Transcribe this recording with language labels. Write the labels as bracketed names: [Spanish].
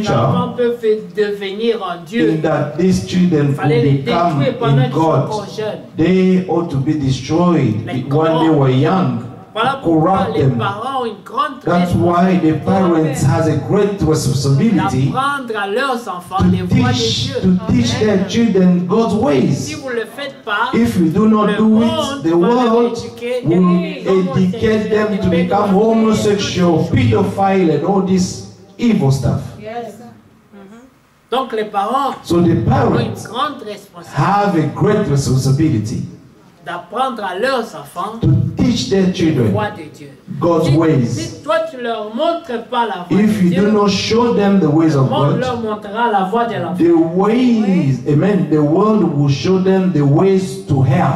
[French] ils savaient que ces enfants peuvent devenir en Dieu. [English] In that these children will become in God. They ought to be destroyed when they were young. Corrupt them. That's why the parents have a great responsibility to teach their children God's ways. If you do not do it, the world will educate them to become homosexual, pedophile, and all this evil stuff. So the parents have a great responsibility [French] d'apprendre à leurs enfants [English] to teach their children [French] la voie de Dieu. [English] God's ways. [French] Si toi tu leur montres pas la voie [English] if [French] de [English] you [French] Dieu, [English] do not show them the ways of God, [French] leur montrera la voie de l'enfant. [English] The ways, amen, the world will show them the ways to hell.